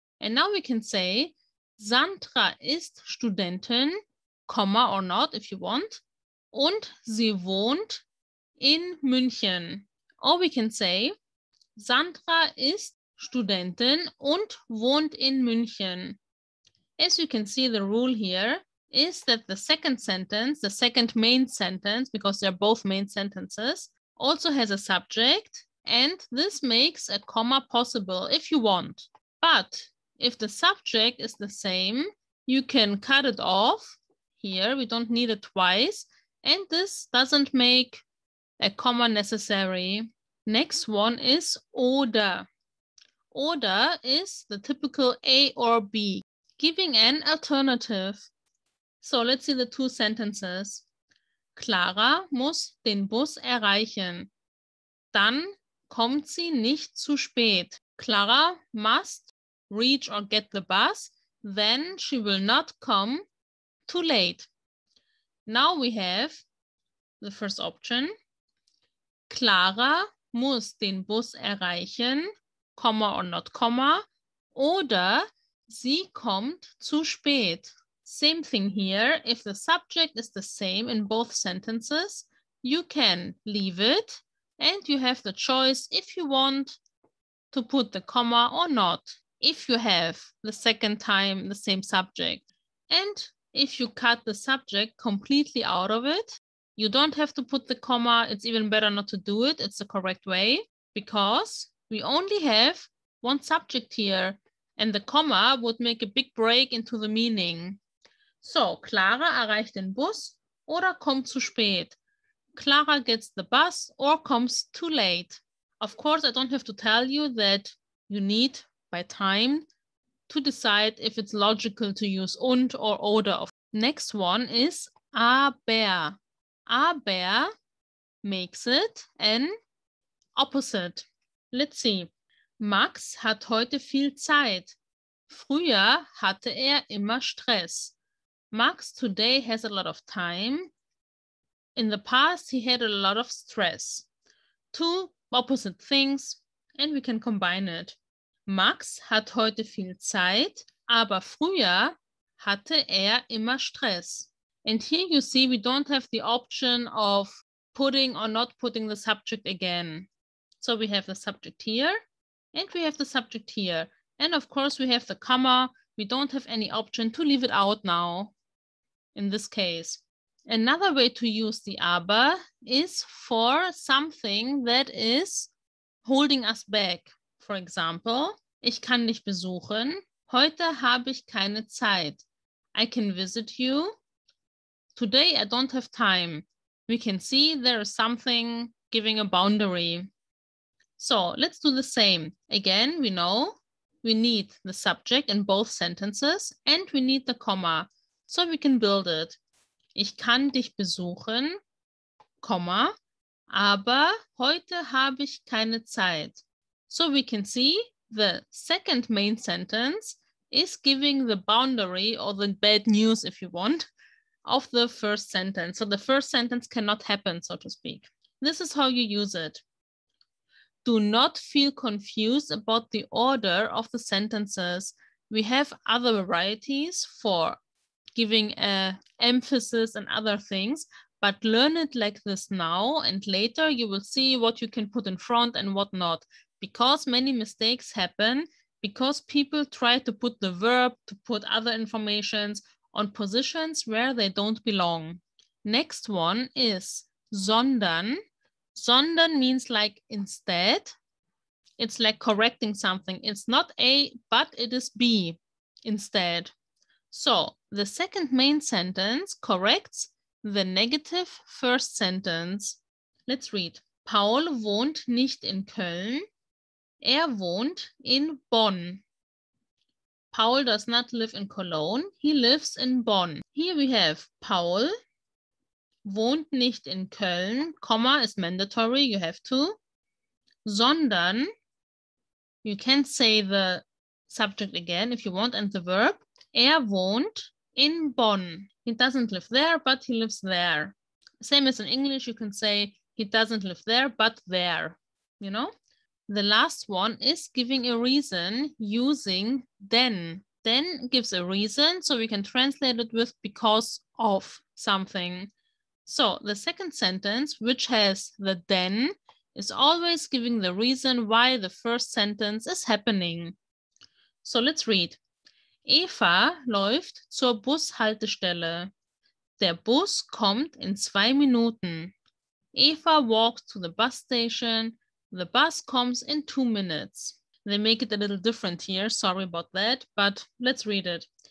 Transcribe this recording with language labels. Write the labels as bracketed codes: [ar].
[en] And now we can say, [de] Sandra ist Studentin, [en] comma or not if you want, [de] und sie wohnt in München. [en] Or we can say, [de] Sandra ist Studentin und wohnt in München. [en] As you can see, the rule here is that the second sentence, the second main sentence, because they're both main sentences, also has a subject, and this makes a comma possible if you want. But if the subject is the same, you can cut it off here. We don't need it twice, and this doesn't make a comma necessary. Next one is oder. Oder is the typical A or B, giving an alternative. So let's see the two sentences. [de] Clara muss den Bus erreichen. Dann kommt sie nicht zu spät. [en] Clara must reach or get the bus. Then she will not come too late. Now we have the first option. [de] Clara muss den Bus erreichen. Komma [en] or not [de] komma, oder sie kommt zu spät. [en] Same thing here. If the subject is the same in both sentences, you can leave it and you have the choice if you want to put the comma or not, if you have the second time the same subject. And if you cut the subject completely out of it, you don't have to put the comma. It's even better not to do it. It's the correct way because we only have one subject here, and the comma would make a big break into the meaning. So, [de] Clara erreicht den Bus oder kommt zu spät. [en] Clara gets the bus or comes too late. Of course, I don't have to tell you that you need by time to decide if it's logical to use und or oder. Next one is aber. Aber makes it an opposite. Let's see. [de] Max hat heute viel Zeit. Früher hatte er immer Stress. [en] Max today has a lot of time. In the past he had a lot of stress. Two opposite things and we can combine it. Max hat heute viel Zeit, aber früher hatte er immer Stress. And here you see we don't have the option of putting or not putting the subject again. So we have the subject here and we have the subject here. And of course we have the comma. We don't have any option to leave it out now in this case. Another way to use the aber is for something that is holding us back. For example, [de] ich kann dich besuchen. Heute habe ich keine Zeit. [en] I can visit you. Today I don't have time. We can see there is something giving a boundary. So let's do the same. Again, we know we need the subject in both sentences and we need the comma. So we can build it. [de] Ich kann dich besuchen, Komma, aber heute habe ich keine Zeit. [en] So we can see the second main sentence is giving the boundary or the bad news, if you want, of the first sentence. So the first sentence cannot happen, so to speak. This is how you use it. Do not feel confused about the order of the sentences. We have other varieties for giving emphasis and other things, but learn it like this now and later you will see what you can put in front and what not, because many mistakes happen because people try to put the verb, to put other informations on positions where they don't belong. Next one is sondern. Sondern means like instead. It's like correcting something. It's not A, but it is B instead. So the second main sentence corrects the negative first sentence. Let's read. [de] Paul wohnt nicht in Köln. Er wohnt in Bonn. [en] Paul does not live in Cologne. He lives in Bonn. Here we have [de] Paul wohnt nicht in Köln. [en] Komma is mandatory. You have to. Sondern, you can say the subject again if you want and the verb. [de] Er wohnt in Bonn. [en] He doesn't live there, but he lives there. Same as in English, you can say he doesn't live there, but there. You know? The last one is giving a reason using denn. Denn gives a reason, so we can translate it with because of something. So the second sentence, which has the denn, is always giving the reason why the first sentence is happening. So let's read. [de] Eva läuft zur Bushaltestelle. Der Bus kommt in 2 Minuten. [en] Eva walks to the bus station. The bus comes in 2 minutes. They make it a little different here. Sorry about that, but let's read it.